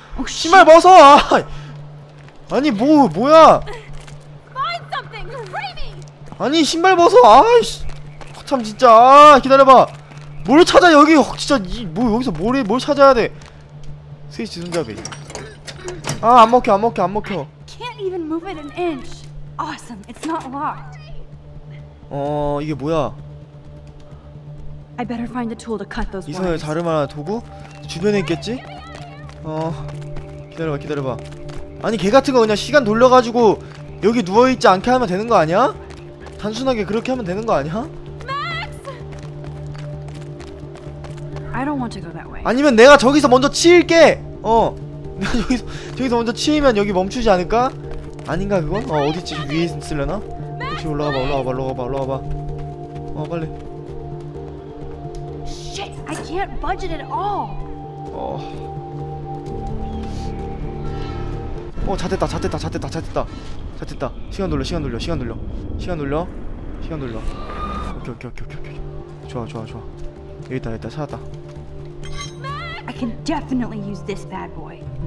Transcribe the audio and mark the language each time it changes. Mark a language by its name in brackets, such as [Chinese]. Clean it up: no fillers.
[Korean] 신발 벗어! 아. 아니, 뭐야. 아니, 신발 벗어, 아이씨. 참, 진짜, 아, 기다려봐. 뭘 찾아, 여기, 진짜, 이, 뭐, 여기서 뭘, 해, 뭘 찾아야 돼. 스위치 손잡이. 아, 안 먹혀, 안 먹혀, 안 먹혀. [English] Can't even move it an inch. Awesome. It's not locked. [Korean] 어, 이게 뭐야? [English] I better find a tool to cut those. [Korean] 이상해, 자를 만한 도구? 주변에 있겠지? 어, 기다려봐, 기다려봐. 아니, 개 같은 거 그냥 시간 돌려가지고 여기 누워있지 않게 하면 되는 거 아니야? 단순하게 그렇게 하면 되는 거 아니야? 아니면 내가 저기서 먼저 치일게. 어, 내가 저기서 먼저 치이면 여기 멈추지 않을까? 아닌가 그건? 어, 어디지? 위에 있으려나? 혹시 올라가봐, 올라가봐, 올라가봐, 올라가봐. 어, 빨리. [English] Shit, I can't budge it at all. [Korean] 어, 잣됐다, 잣됐다, 잣됐다, 잣됐다, 잣됐다. 시간 돌려, 시간 돌려, 시간 돌려, 시간 돌려, 시간 돌려. 오케이, 오케이, 오케이, 오케이, 오케이. 좋아, 좋아, 좋아. 여기다, 여기다 찾았다. [English] I can definitely use this bad boy.